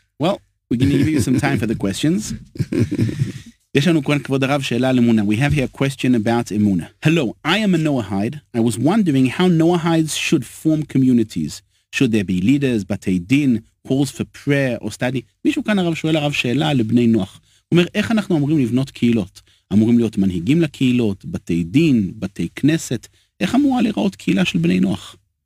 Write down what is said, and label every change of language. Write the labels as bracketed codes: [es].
[en] Well, we're going to give you some time for the questions. [he] יש לנו כאן כבוד הרב שאלה על אמונה. [en] We have here a question about [he] אמונה. [en] Hello, I am a Noahide. I was wondering how Noahides should form communities. Should there be leaders, בתי דין, calls for prayer or study? [he] מישהו כאן הרב שואל הרב שאלה לבני נוח. הוא אומר, איך אנחנו אמורים לבנות קהילות? אמורים להיות מנהיגים לקהילות, בתי דין, בתי כנסת? איך אמורה לראות קהילה של בני נוח?